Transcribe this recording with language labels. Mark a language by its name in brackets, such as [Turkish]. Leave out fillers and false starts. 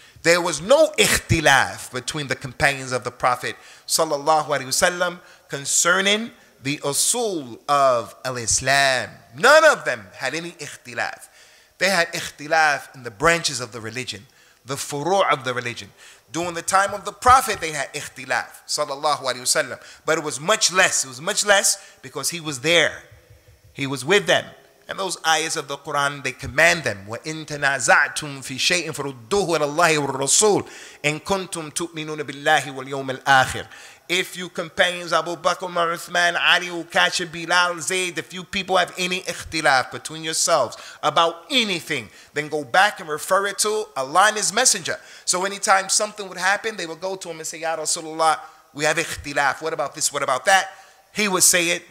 [English] There was no ikhtilaf between the companions of the Prophet sallallahu alaihi wasallam concerning the usul of al-Islam. None of them had any ikhtilaf. They had ikhtilaf in the branches of the religion, the furu' of the religion. During the time of the Prophet, they had ikhtilaf, sallallahu alayhi wasallam. But it was much less. It was much less because he was there. He was with them. And those ayahs of the Quran, they command them, [Arabic] وَإِن تَنَازَعْتُمْ فِي شَيْءٍ فَرُدُّهُ إِلَى اللَّهِ وَالرَّسُولِ إِن كُنْتُمْ تُؤْمِنُونَ بِاللَّهِ وَالْيَوْمِ الْآخِرِ. [English] If you companions, Abu Bakr, Umar, Uthman, Ali, Ukash, Bilal, Zayd, if you people have any ikhtilaf between yourselves about anything, then go back and refer it to Allah and His Messenger. So anytime something would happen, they would go to him and say, Ya Rasulullah, we have ikhtilaf. What about this? What about that? He would say it.